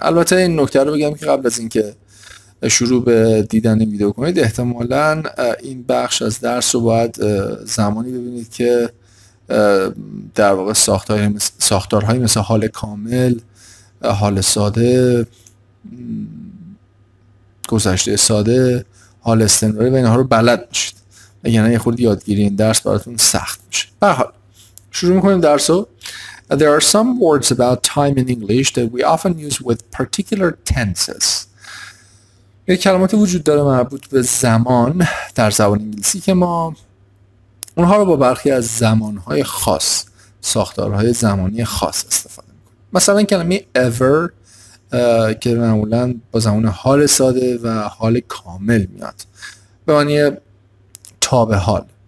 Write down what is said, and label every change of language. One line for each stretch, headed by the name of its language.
Persian: البته این نکته رو بگم که قبل از اینکه شروع به دیدن این ویدیو کنید، احتمالاً این بخش از درس رو باید زمانی ببینید که در واقع ساختارهای مثل حال کامل، حال ساده، گذشته ساده، حال استمراری و اینها رو بلد باشید، یعنی یه خورد یادگیری این درس براتون سخت میشه. به هر حال شروع میکنیم درسو.
English: There are some words about time in English that we often use with particular tenses.
Persian: یه کلمات وجود داره مربوط به زمان در زبان انگلیسی که ما اونها رو با برخی از زمانهای خاص، ساختارهای زمانی خاص استفاده میکنیم. مثلا کلمه ever که معمولا با زمان حال ساده و حال کامل میاد، به معنی تا به حال.